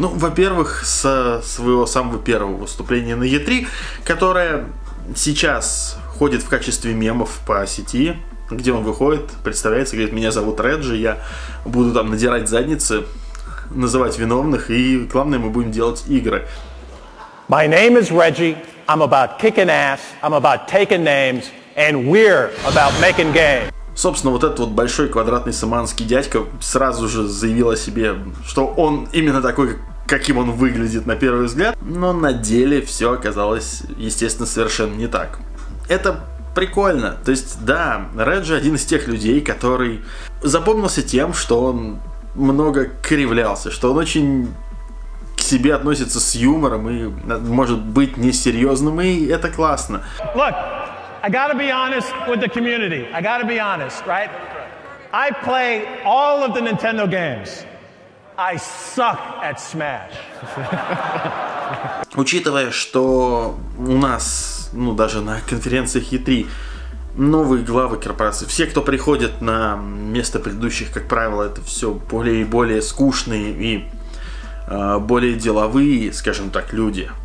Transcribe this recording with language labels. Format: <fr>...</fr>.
<ru>Ну, во-первых, с своего самого первого выступления на E3, которое сейчас ходит в качестве мемов по сети, где он выходит, представляется, говорит, меня зовут Реджи, я буду там надирать задницы, называть виновных, и главное, мы будем делать игры.</ru> <en>My name is Reggie, I'm about kicking ass, I'm about taking names, and we're about making games.</en> <ru>Собственно, вот этот вот большой квадратный саманский дядька сразу же заявил о себе, что он именно такой, каким он выглядит на первый взгляд, но на деле все оказалось, естественно, совершенно не так. Это прикольно. То есть, да, Реджи один из тех людей, который запомнился тем, что он много кривлялся, что он очень к себе относится с юмором и может быть несерьезным, и это классно.</ru> <en>Look, I gotta be honest with the community. I gotta be honest, right? I play all of the Nintendo games. I suck at Smash.</en> <ru>Учитывая, что у нас, ну, даже на конференциях E3 новые главы корпорации, все, кто приходит на место предыдущих, как правило, это все более и более скучные и более деловые, скажем так, люди.</ru>